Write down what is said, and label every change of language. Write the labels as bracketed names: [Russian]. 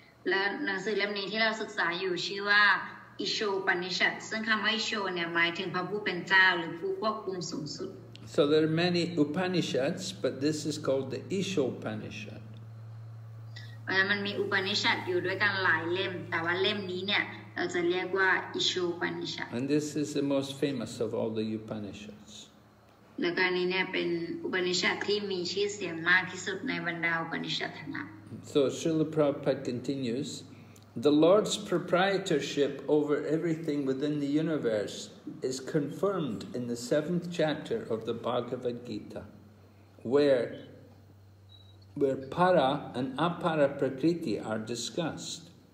[Thai] และหนังสือเล่มนี้ที่เราศึกษาอยู่ชื่อว่า Ishopanishad ซึ่งคำว่า Isho เนี่ยหมายถึงพระผู้เป็นเจ้าหรือผู้ควบคุมสูงสุด [English] So there are many Upanishads but this is called the Ishopanishad [Thai] มันมีอุปนิษัทอยู่ด้วยกันหลายเล่มแต่ว่าเล่มนี้เนี่ยเราจะเรียกว่า Ishopanishad [English] And this is the most famous of all the Upanishads [Thai] และการนี้เนี่ยเป็นอุปนิษัทที่มีชื่อเสียงมากที่สุดในบรรดาอุปนิษัททั้งนั้น [English] So Srila Prabhupada continues, the Lord's proprietorship over everything within the universe is confirmed in the seventh chapter of the Bhagavad Gita, where para and apara prakriti are discussed.